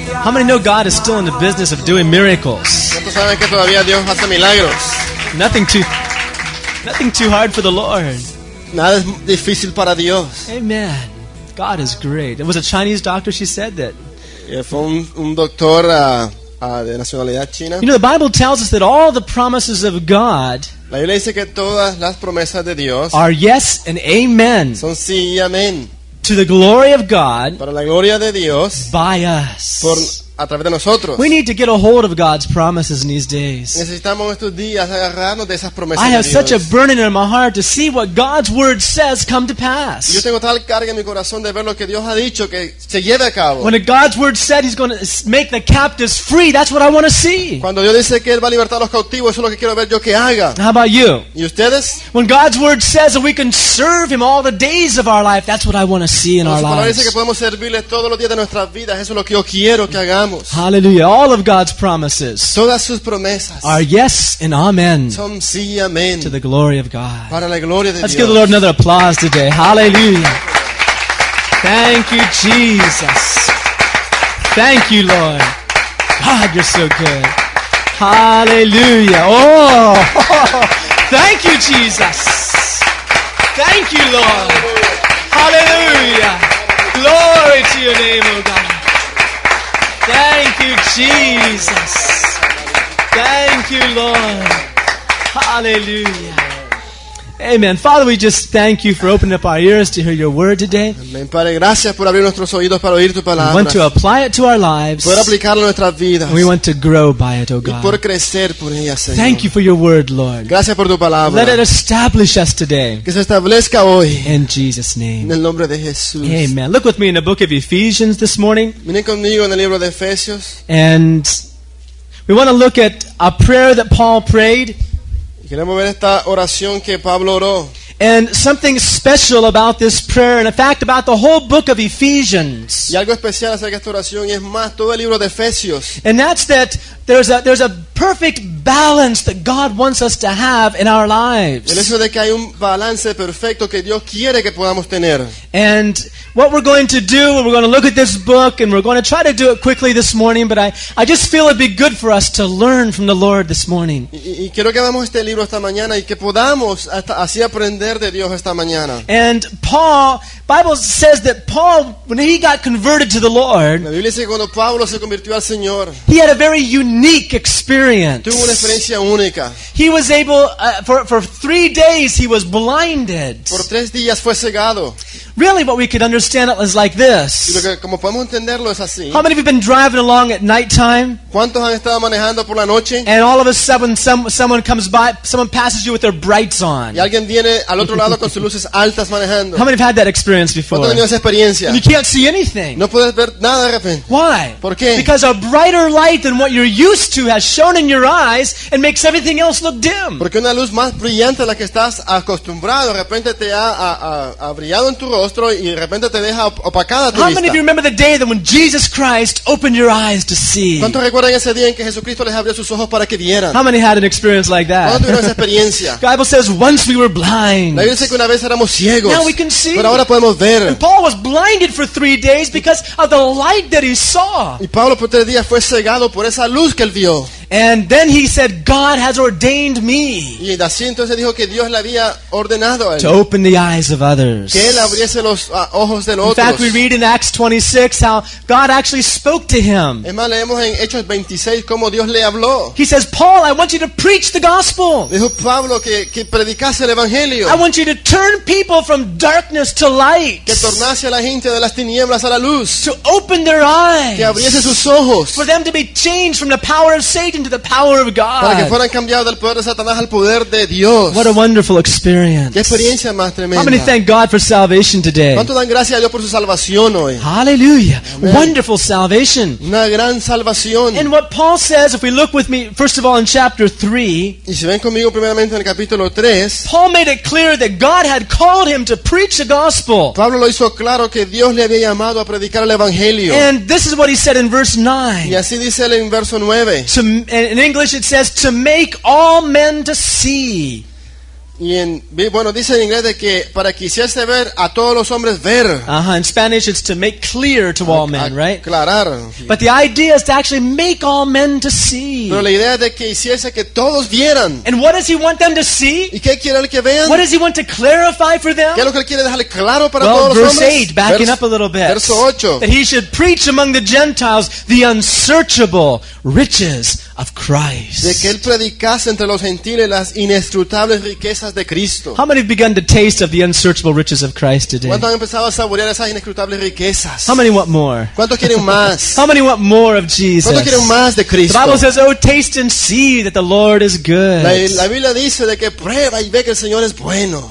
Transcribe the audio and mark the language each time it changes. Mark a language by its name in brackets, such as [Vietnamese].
[English] How many know God is still in the business of doing miracles? [Spanish] ¿Cuántos saben que todavía Dios hace milagros? [English] Nothing too hard for the Lord. [Spanish] Nada es difícil para Dios. [English] Amen. God is great. It was a Chinese doctor, she said that. [Spanish] Yeah, fue un doctor de nacionalidad china. [English] You know, the Bible tells us that all the promises of God, [Spanish] la Biblia dice que todas las promesas de Dios, [English] are yes and amen. [Spanish] Son sí y amén. [English] To the glory of God, [Spanish] para la gloria de Dios, [English] by us. [Spanish] Por, a través de nosotros. [English] We need to get a hold of God's promises in these days. [Spanish] Necesitamos estos días agarrarnos de esas promesas. [English] I have such a burning in my heart to see what God's word says come to pass. [Spanish] Yo tengo tal carga en mi corazón de ver lo que Dios ha dicho que se lleve a cabo. [English] When God's word said He's going to make the captives free, that's what I want to see. [Spanish] Cuando Dios dice que él va a libertar a los cautivos, eso es lo que quiero ver yo que haga. [English] How about you? [Spanish] ¿Y ustedes? [English] When God's word says that we can serve Him all the days of our life, that's what I want to see in our lives. [Spanish] Cuando dice que podemos servirle todos los días de nuestras vidas, eso es lo que yo quiero que hagamos. [English] Hallelujah. All of God's promises, [Spanish] todas sus promesas, [English] are yes and amen, [Spanish] son sí y amen [English] to the glory of God. [Spanish] Para la gloria de [English] Let's [Spanish] Dios. [English] Give the Lord another applause today. Hallelujah. Thank you, Jesus. Thank you, Lord. God, you're so good. Hallelujah. Oh, thank you, Jesus. Thank you, Lord. Hallelujah. Glory to your name, O God. Thank you, Jesus. Thank you, Lord. Hallelujah. Amen. Father, we just thank you for opening up our ears to hear your word today. Amen. [Spanish] Padre, gracias por abrir nuestros oídos para oír tu palabra. [English] We want to apply it to our lives. [Spanish] Poder aplicarlo a nuestras vidas. [English] And we want to grow by it, O God. [Spanish] Y por crecer por ella, Señor. [English] Thank you for your word, Lord. [Spanish] Gracias por tu palabra. [English] Let it establish us today. [Spanish] Que se establezca hoy. [English] In Jesus' name. [Spanish] En el nombre de Jesús. [English] Amen. Look with me in the book of Ephesians this morning. [Spanish] Miren conmigo en el libro de Efesios. [English] And we want to look at a prayer that Paul prayed. [Spanish] Queremos ver esta oración que Pablo oró. [English] And something special about this prayer, and in fact about the whole book of Ephesians. [Spanish] Y algo especial acerca de esta oración, y es más, todo el libro de Efesios. [English] And that's that there's a perfect balance that God wants us to have in our lives. [Spanish] El hecho de que hay un balance perfecto que Dios quiere que podamos tener. [English] And what we're going to do, we're going to look at this book, and we're going to try to do it quickly this morning, but I just feel it'd be good for us to learn from the Lord this morning. [Spanish] Y quiero que veamos este libro esta mañana y que podamos así aprender de Dios esta mañana. [English] And Paul, Bible says that Paul, when he got converted to the Lord, [Spanish] la Biblia dice que cuando Pablo se convirtió al Señor, [English] he had a very unique experience. [Spanish] Tuvo una experiencia única. [English] He was able, for 3 days he was blinded. [Spanish] Por 3 días fue cegado. [English] Really, what we could understand it was like this. [Spanish] Como podemos entenderlo, es así. [English] How many of you have been driving along at nighttime? [Spanish] ¿Cuántos han estado manejando por la noche? [English] And all of a sudden, someone comes by, someone passes you with their brights on. [Spanish] Y alguien viene al otro lado con sus luces altas manejando. [English] How many have had that experience before? [Spanish] ¿Cuántos han tenido esa experiencia? [English] And you can't see anything. [Spanish] No puedes ver nada de repente. [English] Why? [Spanish] ¿Por qué? [English] Because a brighter light than what you're used to has shone in your eyes and makes everything else look dim. [Spanish] Porque una luz más brillante a la que estás acostumbrado, de repente te ha brillado en tu rostro. Y de repente te deja opacada tu vista. [English] How many of you remember the day that when Jesus Christ opened your eyes to see? [Spanish] ¿Cuántos recuerdan ese día en que Jesucristo les abrió sus ojos para que vieran? [English] How many had an experience like that? [Spanish] ¿Cuántos tuvieron esa experiencia? [English] The Bible says once we were blind. [Spanish] La Biblia dice que una vez éramos ciegos. [English] Now we can see. [Spanish] Pero ahora podemos ver. [English] And Paul was blinded for 3 days because of the light that he saw. [Spanish] Y Pablo por 3 días fue cegado por esa luz que él vio. [English] And then he said, God has ordained me. [Spanish] Y así entonces dijo que Dios le había ordenado a él. [English] To open the eyes of others. [Spanish] Que él abriese los ojos de los otros. [English] In fact, we read in Acts 26 how God actually spoke to him. [Spanish] Es más, leemos en Hechos 26 cómo Dios le habló. [English] He says, Paul, I want you to preach the gospel. [Spanish] Dijo Pablo que predicase el evangelio. [English] I want you to turn people from darkness to light. [Spanish] Que tornase a la gente de las tinieblas a la luz. [English] To open their eyes. [Spanish] Que abriese sus ojos. [English] For them to be changed from the power of Satan. into the power of God. [Spanish] Para que fueran cambiados del poder de Satanás al poder de Dios. [English] What a wonderful experience. [Spanish] Qué experiencia más tremenda. [English] How many thank God for salvation today? [Spanish] ¿Cuánto dan gracias a Dios por su salvación hoy? [English] Hallelujah. Amen. Wonderful salvation. [Spanish] Una gran salvación. [English] And what Paul says, if we look with me, first of all in chapter 3. [Spanish] Y si ven conmigo primeramente en el capítulo 3. [English] Paul made it clear that God had called him to preach the gospel. [Spanish] Pablo lo hizo claro que Dios le había llamado a predicar el evangelio. [English] And this is what he said in verse 9. [Spanish] Y así dice él en verso 9. [English] In English it says, to make all men to see. [Spanish] Y en, bueno, dice en inglés de que para que hiciese ver a todos los hombres ver. Uh-huh. [English] In Spanish it's to make clear to all men, right? [Spanish] Aclarar. [English] But the idea is to actually make all men to see. [Spanish] Pero la idea de que hiciese que todos vieran. [English] And what does he want them to see? [Spanish] ¿Y qué quiere que vean? What does he want to clarify for them? ¿Qué es lo que él quiere dejarle claro para todos los hombres? [English] Verse 8, backing up a little bit. [Spanish] Verso 8. [English] That he should preach among the Gentiles the unsearchable riches of Christ. [Spanish] De que él predicase entre los gentiles las inescrutables riquezas de Cristo. [English] How many have begun to taste of the unsearchable riches of Christ today? [Spanish] ¿Cuántos han empezado a saborear esas inescrutables riquezas? [English] How many want more? [Spanish] ¿Cuántos quieren más? [English] How many want more of Jesus? [Spanish] ¿Cuántos quieren más de Cristo? [English] The Bible says, "Oh, taste and see that the Lord is good." [Spanish] La Biblia dice de que prueba y ve que el Señor es bueno.